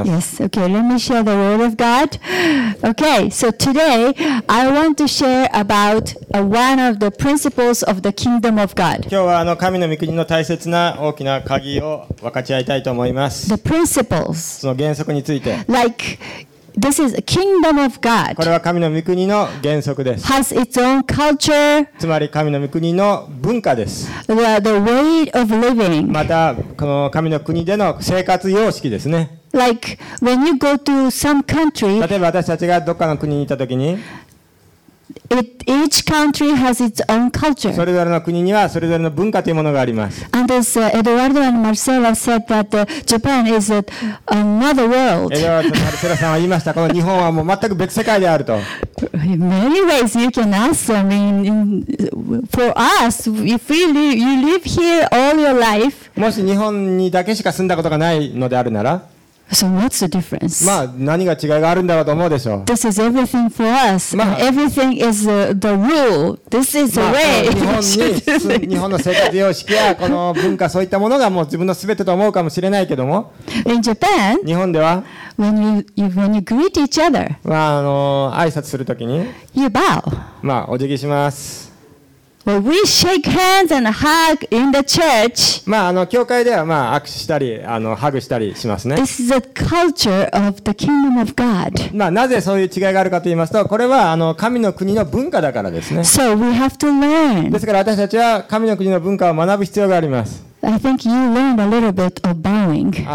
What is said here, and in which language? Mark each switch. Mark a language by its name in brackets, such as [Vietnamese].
[English] Yes, okay, let me share the word of God. Okay, so today I want to share about one of the principles of the kingdom of God. [Japanese] 今日はあの神の御国の大切な大きな鍵を分かち合いたいと思います。 [English] The principles. [Japanese] その原則について。 [English] Like, this is a kingdom of God. [Japanese] これは神の御国の原則です。 [English] Has its own culture. [Japanese] つまり神の御国の文化です。 [English] The way of living. [Japanese] またこの神の国での生活様式ですね。 [English] Like when you go to some country, [Japanese] 例えば私たちがどっかの国に行ったときに、 [English] each country has its own culture. [Japanese] それぞれの国にはそれぞれの文化というものがあります。 [English] And as Eduardo and Marcela said that Japan is another world. [Japanese] Eduardo and Marcela さんは言いました。この日本はもう全く別世界であると。 [English] In many ways you can ask. I mean, for us, if you live here all your life, [Japanese] もし日本にだけしか住んだことがないのであるなら。 [English] So what's the difference? [Japanese] まあ何が違いがあるんだろうと思うでしょう。 [English] This is everything for us. まあ everything is the rule. This is the way. [Japanese] 日本の生活様式やこの文化そういったものがもう自分のすべてと思うかもしれないけども。 [English] In Japan, [Japanese] 日本では [English] when you greet each other, [Japanese] まああの挨拶するときに [English] you bow. [Japanese] まあお辞儀します。 [English] Well, we shake hands and hug in the church. [Japanese] まああの教会ではまあ握手したりあのハグしたりしますね。 [English] This is a culture of the kingdom of God. [Japanese] まあなぜそういう違いがあるかと言いますと、これはあの神の国の文化だからですね。 [English] So we have to learn. [Japanese] ですから私たちは神の国の文化を学ぶ必要があります。 [English] I think you learned a little bit of bowing.